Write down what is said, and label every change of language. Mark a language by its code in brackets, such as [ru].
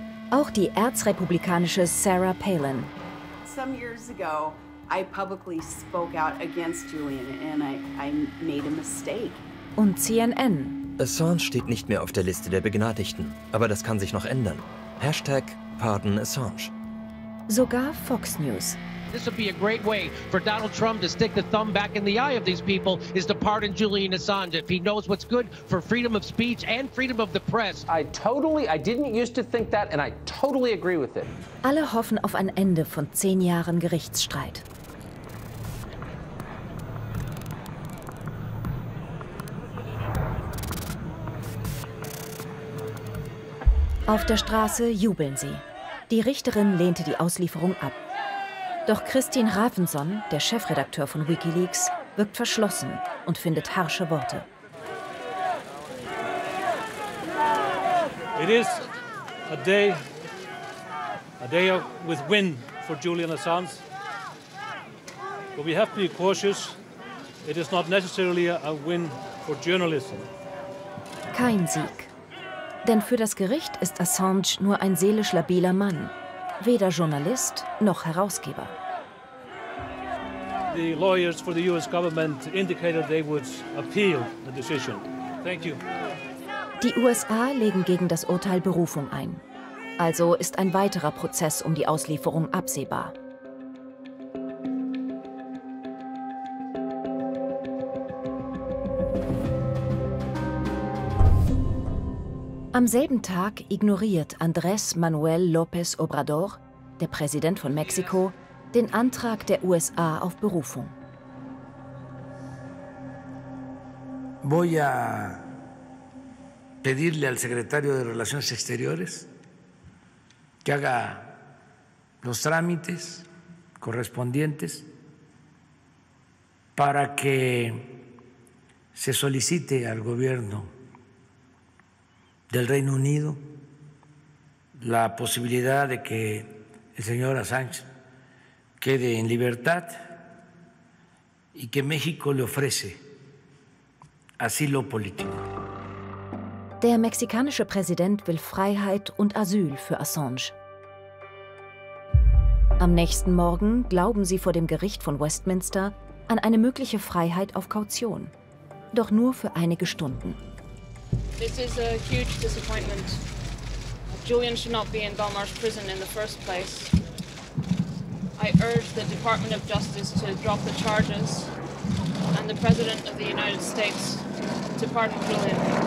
[de] Auch die erzrepublikanische Sarah Palin. [en] Some years ago, I publicly spoke out against Julian and I made a mistake. [de] Und CNN. Assange steht nicht mehr auf der Liste der Begnadigten, aber das kann sich noch ändern. [en] Hashtag Pardon Assange. [de] Sogar Fox News. [en] This would be a great way for Donald Trump to stick the thumb back in the eye of these people is to pardon Julian Assange if he knows what's good for freedom of speech and freedom of the press. I didn't used to think that and I totally agree with it. [de] Alle hoffen auf ein Ende von 10 Jahren Gerichtsstreit. Auf der Straße jubeln sie. Die Richterin lehnte die Auslieferung ab. Doch Christine Ravenson, der Chefredakteur von Wikileaks, wirkt verschlossen und findet harsche Worte. [en] It is a day with win for Julian Assange. But we have to be cautious. It is not necessarily a win for journalism. [de] Kein Sieg. Denn für das Gericht ist Assange nur ein seelisch labiler Mann, weder Journalist noch Herausgeber. [en] The lawyers for the US government indicated they would appeal the decision. Thank you. [de] Die USA legen gegen das Urteil Berufung ein. Also ist ein weiterer Prozess um die Auslieferung absehbar. Am selben Tag ignoriert Andrés Manuel López Obrador, der Präsident von Mexiko, den Antrag der USA auf Berufung. [es] Voy a pedirle al secretario de Relaciones Exteriores que haga los trámites correspondientes para que se solicite al gobierno del Reino Unido la posibilidad de que el señor Assange quede en libertad y que México le ofrece asilo político. [de] Der mexikanische Präsident will Freiheit und Asyl für Assange. Am nächsten Morgen glauben sie vor dem Gericht von Westminster an eine mögliche Freiheit auf Kaution, doch nur für einige Stunden. [en] This is a huge disappointment. Julian should not be in Balmarsh prison in the first place. I urge the Department of Justice to drop the charges and the President of the United States to pardon Julian.